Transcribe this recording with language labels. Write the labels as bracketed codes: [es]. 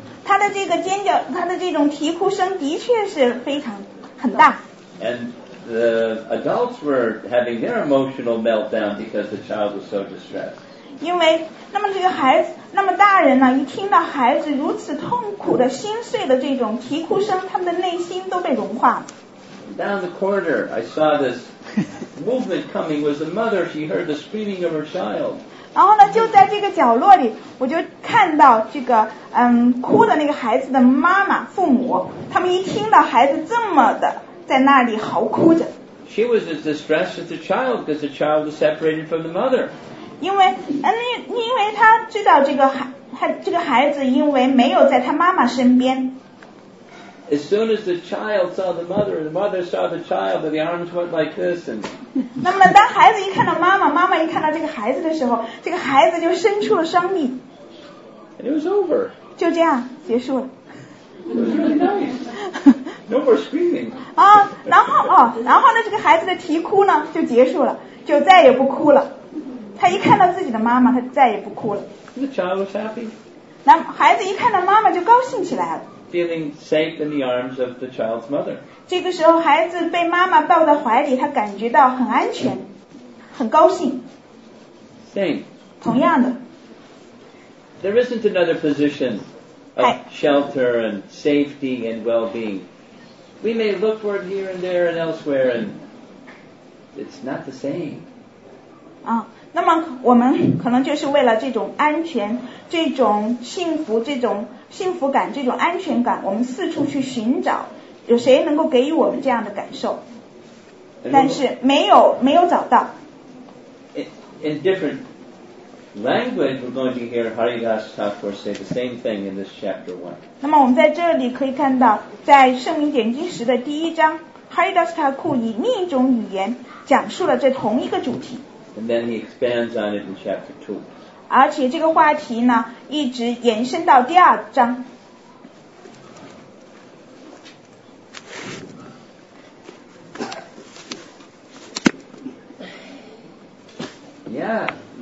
[zh] 他的这个尖叫，他的这种啼哭声的确是非常很大。 [en] And the adults were having their emotional meltdown because the child was so distressed. [zh] 因为那么这个孩子，那么大人呢，一听到孩子如此痛苦的、心碎的这种啼哭声，他们的内心都被融化了。 [en] Down the corner, I saw this movement coming. Was the mother? She heard the screaming of her child. [zh] 然后呢，就在这个角落里，我就看到这个哭的那个孩子的妈妈、父母，他们一听到孩子这么的。在那里嚎哭着。 [en] She was as distressed as the child because the child was separated from the mother. [zh] 因为他知道这个孩子因为没有在他妈妈身边。 [en] As soon as the child saw the mother, the mother saw the child, and the arms went like this. [zh] 那么当孩子一看到妈妈，妈妈一看到这个孩子的时候，这个孩子就伸出了双臂。 [en] And it was over. [zh] 就这样结束了。 [en] No more screaming. [zh] 啊，然后呢，这个孩子的啼哭呢就结束了，就再也不哭了。他一看到自己的妈妈，他再也不哭了。 [en] The child was happy. [zh] 那孩子一看到妈妈就高兴起来了。 [en] Feeling safe in the arms of the child's mother. [zh] 这个时候，孩子被妈妈抱在怀里，他感觉到很安全，很高兴。 [en] Same. [zh] 同样的。 [en] There isn't another position of shelter and safety and well-being. We may look for it here and there and elsewhere, and it's not the same. [zh] 啊，那么我们可能就是为了这种安全、这种幸福、这种幸福感、这种安全感，我们四处去寻找，有谁能够给予我们这样的感受？但是没有找到。 [en] In different language, we're going to hear Haridas Thakur say the same thing in this chapter one. [zh] 那么我们在这里可以看到，在《圣明典籍时》的第一章 ，Haridas Thakur 以另一种语言讲述了这同一个主题。 [en] And then he expands on it in chapter two. [zh] 而且这个话题呢，一直延伸到第二章。 [en] Yeah.